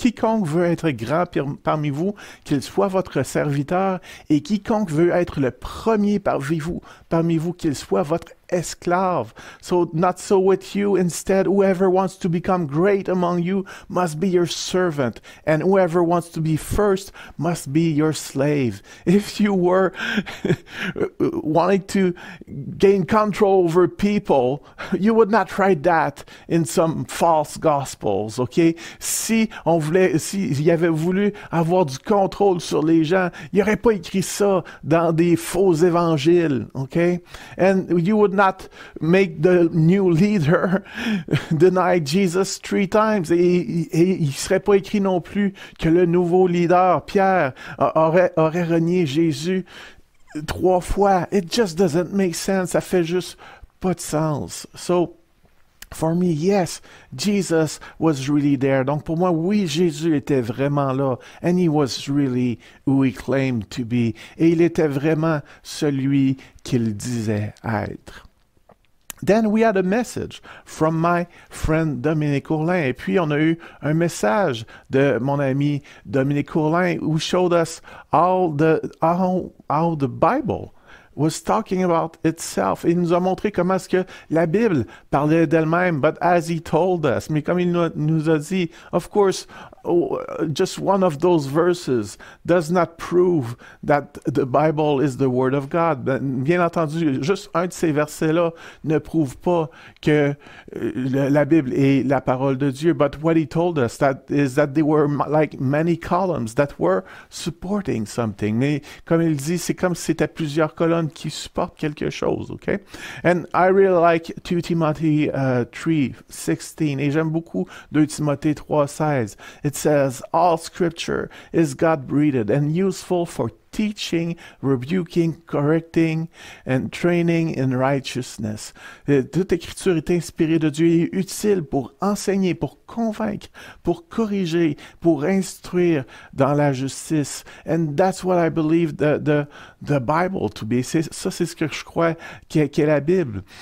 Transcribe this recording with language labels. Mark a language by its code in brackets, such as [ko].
[fr] Quiconque veut être grand parmi vous, qu'il soit votre serviteur, et quiconque veut être le premier parmi vous, qu'il soit votre esclave. [en] So, not so with you. Instead, whoever wants to become great among you must be your servant, and whoever wants to be first must be your slave. If you were wanting to gain control over people, you would not write that in some false gospels, okay? [fr] S'il avait voulu avoir du contrôle sur les gens, il n'aurait pas écrit ça dans des faux évangiles, okay? [en] And you would not make the new leader deny Jesus three times. [fr] Et il ne serait pas écrit non plus que le nouveau leader, Pierre, aurait renié Jésus trois fois. [en] It just doesn't make sense. [fr] Ça fait juste pas de sens. [en] So, for me, yes, Jesus was really there. [fr] Donc, pour moi, oui, Jésus était vraiment là. [en] And he was really who he claimed to be. [fr] Et il était vraiment celui qu'il disait être. [en] Then we had a message from my friend Dominique Courlin. [fr] Et puis, on a eu un message de mon ami Dominique Courlin, [en] who showed us how the Bible was talking about itself. [fr] Il nous a montré comment est-ce que la Bible parlait d'elle-même. [en] But as he told us, [fr] mais comme il nous a dit, [en] of course, just one of those verses does not prove that the Bible is the Word of God. [fr] Bien entendu, juste un de ces versets-là ne prouve pas que la Bible est la parole de Dieu. [en] But what he told us that is that there were like many columns that were supporting something. [fr] Mais comme il dit, c'est comme si c'était plusieurs colonnes qui supportent quelque chose, okay? [en] And I really like 2 Timothy 3:16. [fr] Et j'aime beaucoup 2 Timothée 3:16. [en] It says, all scripture is God-breathed and useful for teaching, rebuking, correcting, and training in righteousness. [fr] Toute écriture est inspirée de Dieu et utile pour enseigner, pour convaincre, pour corriger, pour instruire dans la justice. [en] And that's what I believe the Bible to be. [fr] C'est ce que je crois qu'est la Bible.